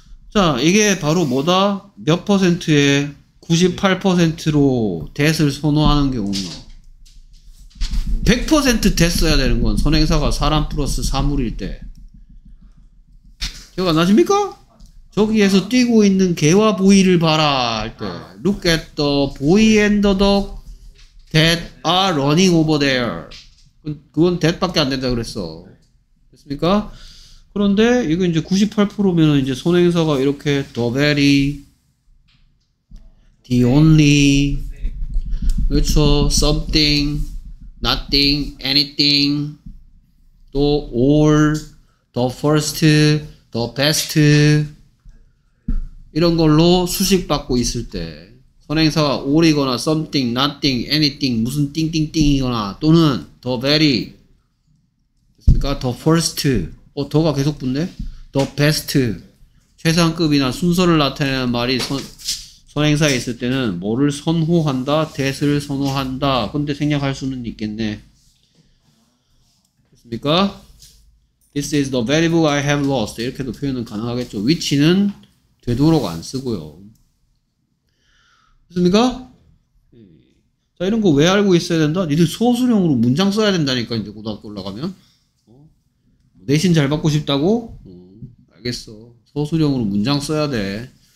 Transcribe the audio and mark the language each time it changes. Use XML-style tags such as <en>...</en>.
<ko>자, 이게 바로 뭐다? 몇 퍼센트에 98%로 that을 선호하는 경우. 100% that 써야 되는 건 선행사가 사람 플러스 사물일 때. 기억 안 나십니까? 저기에서 뛰고 있는 개와 보이를 봐라 할 때.</ko> <en>Look at the boy and the dog that are running over there.</en> <ko>그건 that밖에 안 된다 그랬어. 됐습니까? 그런데 이거 이제 98%면 이제 선행사가 이렇게 the very, the only, 그렇죠?</ko> <en>something, nothing, anything, 또 all, the first,</en> <ko>the best 이런 걸로 수식 받고 있을 때 선행사가 all이거나 something, nothing, anything, 무슨 띵띵띵이거나 또는 the very 됐습니까? the first 어? the가 계속 붙네? the best 최상급이나 순서를 나타내는 말이 선행사에 있을 때는 뭐를 선호한다? that을 선호한다 근데 생략할 수는 있겠네 됐습니까?</ko> <en>This is the very book I have lost.</en> <ko>이렇게도 표현은 가능하겠죠. which는 되도록 안 쓰고요. 됐습니까? 자, 이런 거 왜 알고 있어야 된다? 니들 소수령으로 문장 써야 된다니까, 이제 고등학교 올라가면. 어? 내신 잘 받고 싶다고? 어, 알겠어. 소수령으로 문장 써야 돼.</ko>